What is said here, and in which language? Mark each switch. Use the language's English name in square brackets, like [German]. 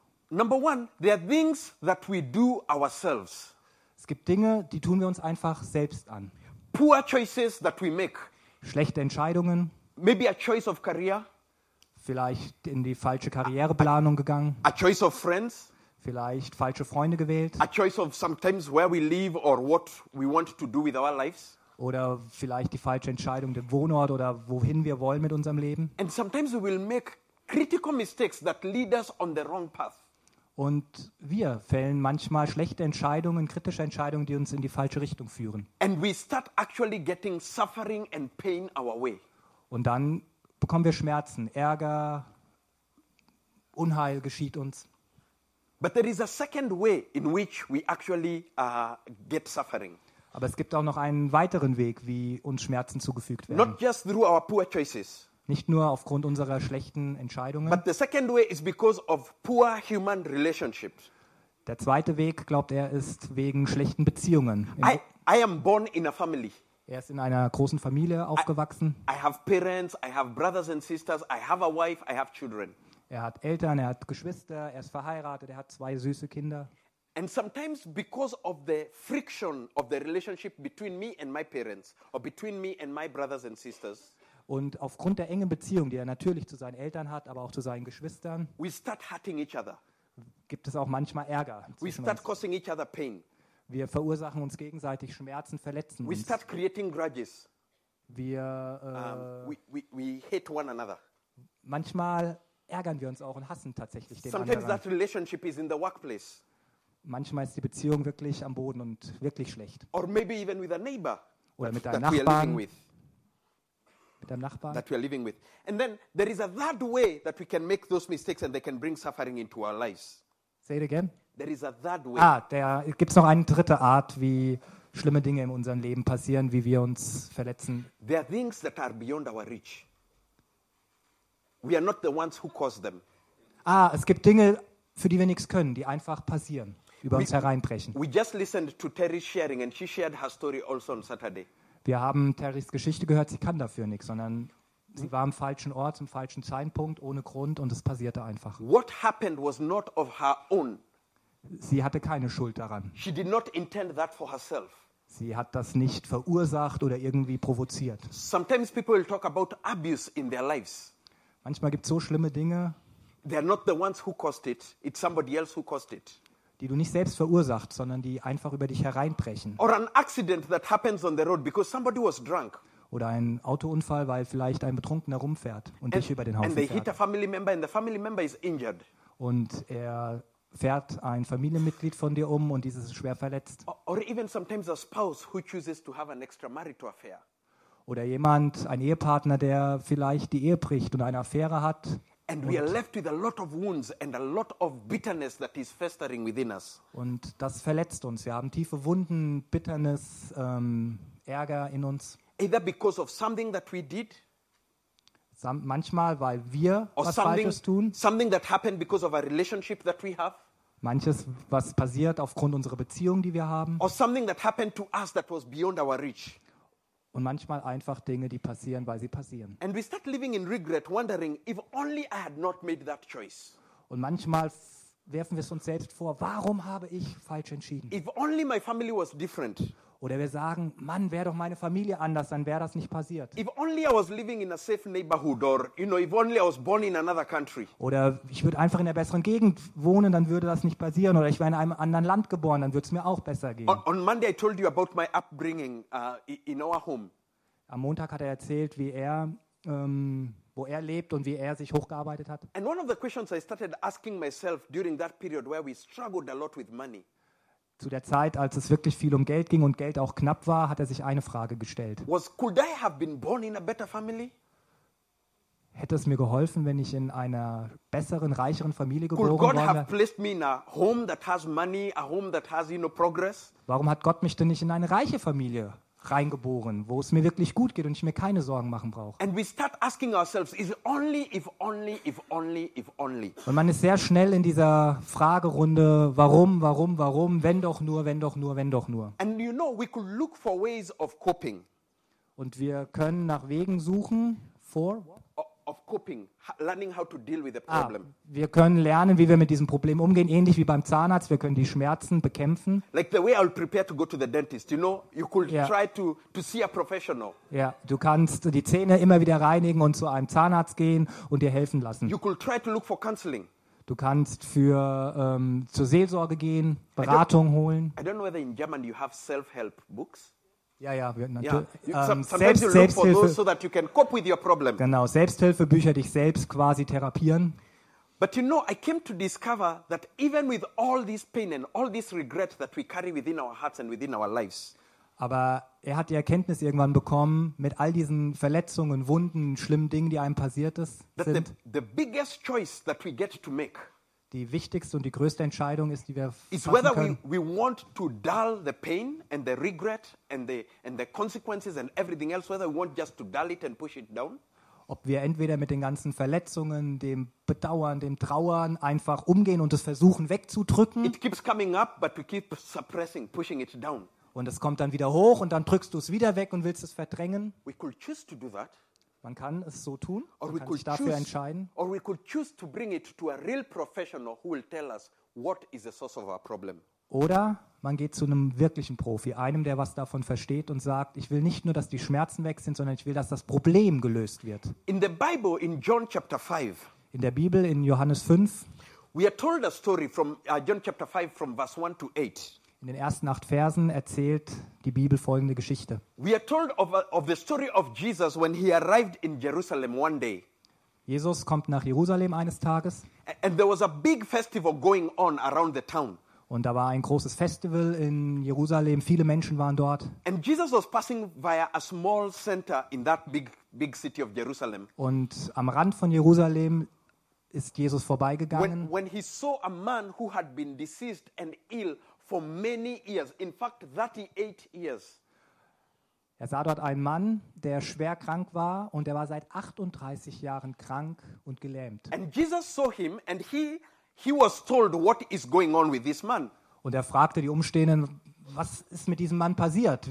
[English] Number one, there are things that we do ourselves. [German] Es gibt Dinge, die tun wir uns einfach selbst an. [English] Poor choices that we make. [German] Schlechte Entscheidungen. [English] Maybe a choice of career. [German] Vielleicht in die falsche Karriereplanung gegangen. [English] A choice of friends. [German] Vielleicht falsche Freunde gewählt. [English] A choice of sometimes where we live or what we want to do with our lives. [German] Oder vielleicht die falsche Entscheidung, den Wohnort oder wohin wir wollen mit unserem Leben. [English] And sometimes we will make critical mistakes that lead us on the wrong path. [German] Und wir fällen manchmal schlechte Entscheidungen, kritische Entscheidungen, die uns in die falsche Richtung führen. [English] And we start actually getting suffering and pain our way. [German] Und dann bekommen wir Schmerzen, Ärger, Unheil geschieht uns. [English] But there is a second way in which we actually get suffering. [German] Aber es gibt auch noch einen weiteren Weg, wie uns Schmerzen zugefügt werden. [English] Not just through our poor choices. [German] Nicht nur aufgrund unserer schlechten Entscheidungen. [English] But the second way is because of poor human relationships. [German] Der zweite Weg, glaubt er, ist wegen schlechten Beziehungen. [English] I am born in a family. [German] Er ist in einer großen Familie aufgewachsen. [English] I have parents, I have brothers and sisters, I have a wife, I have children. [German] Er hat Eltern, er hat Geschwister, er ist verheiratet, er hat zwei süße Kinder. [English] And sometimes because of the friction of the relationship between me and my parents or between me and my brothers and sisters. [German] Und aufgrund der engen Beziehung, die er natürlich zu seinen Eltern hat, aber auch zu seinen Geschwistern, [English] we start hurting each other. [German] Gibt es auch manchmal Ärger. [English] We start causing each other pain. [German] Wir verursachen uns gegenseitig Schmerzen, verletzen uns. [English] We start creating grudges. We hate one another. [German] Manchmal ärgern wir uns auch und hassen tatsächlich den [English] sometimes [German] anderen. [English] That relationship is in the workplace. [German] Manchmal ist die Beziehung wirklich am Boden und wirklich schlecht. [English] Or maybe even with a neighbor, [German] oder mit deinem Nachbarn. Mit deinem Nachbarn. [English] That we are living with. And then there is a third way that we can make those mistakes and they can bring suffering into our lives. Say it again. There is a third way. [German] Ah, da gibt es noch eine dritte Art, wie schlimme Dinge in unserem Leben passieren, wie wir uns verletzen. [English] There are things that are beyond our reach. We are not the ones who cause them. [German] Ah, es gibt Dinge, für die wir nichts können, die einfach passieren, über uns hereinbrechen. [English] We just listened to Terry sharing and she shared her story also on Saturday. [German] Wir haben Terrys Geschichte gehört, sie kann dafür nichts, sondern sie war am falschen Ort, zum falschen Zeitpunkt, ohne Grund und es passierte einfach. [English] What happened was not of her own. [German] Sie hatte keine Schuld daran. [English] She did not intend that for herself. [German] Sie hat das nicht verursacht oder irgendwie provoziert. [English] Sometimes people talk about abuse in their lives. [German] Manchmal gibt es so schlimme Dinge, [English] they are not the ones who caused it. It's somebody else who caused it. [German] Die du nicht selbst verursacht, sondern die einfach über dich hereinbrechen. [English] Or an accident that happens on the road because somebody was drunk. [German] Oder ein Autounfall, weil vielleicht ein Betrunkener rumfährt und dich über den Haufen fährt. [English] And they hit a family member and the family member is injured. [German] Und er fährt ein Familienmitglied von dir um und dieses ist schwer verletzt. [English] Or even sometimes a spouse who chooses to have an extramarital affair. [German] Oder jemand, ein Ehepartner, der vielleicht die Ehe bricht und eine Affäre hat. [English] And we are left with a lot of wounds and a lot of bitterness that is festering within us. [German] Und das verletzt uns. Wir haben tiefe Wunden, Bitternis, Ärger in uns. [English] Either because of something that we did. [German] Manchmal, weil wir was Falsches tun. [English] Something that happened because of a relationship that we have. [German] Manches, was passiert aufgrund unserer Beziehung, die wir haben. [English] Or something that happened to us that was beyond our reach. [German] Und manchmal einfach Dinge, die passieren, weil sie passieren. [English] And we start living in regret, wondering if only I had not made that choice. [German] Und manchmal werfen wir es uns selbst vor, warum habe ich falsch entschieden? [English] If only my family was different. [German] Oder wir sagen, Mann, wäre doch meine Familie anders, dann wäre das nicht passiert. [English] If only I was living in a safe neighborhood or, you know, if only I was born in another country. [German] Oder ich würde einfach in der besseren Gegend wohnen, dann würde das nicht passieren. Oder ich wäre in einem anderen Land geboren, dann würde es mir auch besser gehen. [English] On Monday I told you about my upbringing in our home. [German] Am Montag hat er erzählt, wie er, wo er lebt und wie er sich hochgearbeitet hat. [English] And one of the questions I started asking myself during that period where we struggled a lot with money. [German] Zu der Zeit, als es wirklich viel um Geld ging und Geld auch knapp war, hat er sich eine Frage gestellt. [English] Could I have been born in a better family? [German] Hätte es mir geholfen, wenn ich in einer besseren, reicheren Familie geboren [English] God [German] wäre? [English] Have placed me in a home that has money, a home that has, you know, progress? [German] Warum hat Gott mich denn nicht in eine reiche Familie reingeboren, wo es mir wirklich gut geht und ich mir keine Sorgen machen brauche? [English] And we start asking ourselves, is it only if only if only if only? [German] Und man ist sehr schnell in dieser Fragerunde, warum, warum, warum, wenn doch nur, wenn doch nur, wenn doch nur. [English] And you know, we could look for ways of coping. [German] Und wir können nach Wegen suchen, [English] for what? Of coping, learning how to deal with the problem. [German] Ah, wir können lernen, wie wir mit diesem Problem umgehen, ähnlich wie beim Zahnarzt, wir können die Schmerzen bekämpfen. [English] Like the way I'll prepare to go to the dentist, you know, you could try to see a professional. [German] Ja, du kannst die Zähne immer wieder reinigen und zu einem Zahnarzt gehen und dir helfen lassen. [English] You could try to look for counseling. [German] Du kannst für zur Seelsorge gehen, Beratung holen. [English] I don't know whether in German you have self-help books. [German] Ja, wir natürlich. [English] Selbsthilfe, so that you can cope with your problem. [German] Genau, Selbsthilfebücher, dich selbst quasi therapieren. [English] But you know, I came to discover that even with all this pain and all this regret that we carry within our hearts and within our lives. [German] Aber er hat die Erkenntnis irgendwann bekommen, mit all diesen Verletzungen, Wunden, schlimmen Dingen, die einem passiert ist, [English] that [German] sind [English] the biggest choice that we get to make. [German] Die wichtigste und die größte Entscheidung ist, die wir fassen können. [English] Is whether we want to dull the pain and the regret and the consequences and everything else, whether we want just to dull it and push it down. [German] Ob wir entweder mit den ganzen Verletzungen, dem Bedauern, dem Trauern einfach umgehen und es versuchen wegzudrücken. [English] It keeps coming up, but we keep suppressing, pushing it down. [German] Und es kommt dann wieder hoch und dann drückst du es wieder weg und willst es verdrängen. [English] We could choose to do that. [German] Man kann es so tun, man kann sich dafür entscheiden. [English] Or we could choose to bring it to a real professional who will tell us what is the source of our problem. [German] Oder man geht zu einem wirklichen Profi, einem, der was davon versteht und sagt, ich will nicht nur, dass die Schmerzen weg sind, sondern ich will, dass das Problem gelöst wird. [English] In the Bible, in John chapter 5. [German] In der Bibel in Johannes 5. [English] We are told a story from John chapter 5 from verse 1 to 8. [German] In den ersten 8 Versen erzählt die Bibel folgende Geschichte. [English] We are told of the story of Jesus when he arrived in Jerusalem one day. [German] Jesus kommt nach Jerusalem eines Tages. [English] And there was a big festival going on around the town. [German] Und da war ein großes Festival in Jerusalem, viele Menschen waren dort. [English] And Jesus was passing via a small center in that big city of Jerusalem. [German] Und am Rand von Jerusalem ist Jesus vorbeigegangen. [English] When he saw a man who had been diseased and ill for many years, in fact 38 years. [German] Er sah dort einen Mann, der schwer krank war und er war seit 38 Jahren krank und gelähmt. [English] And Jesus saw him and he was told what is going on with this man. [German] Und er fragte die Umstehenden, was ist mit diesem Mann passiert?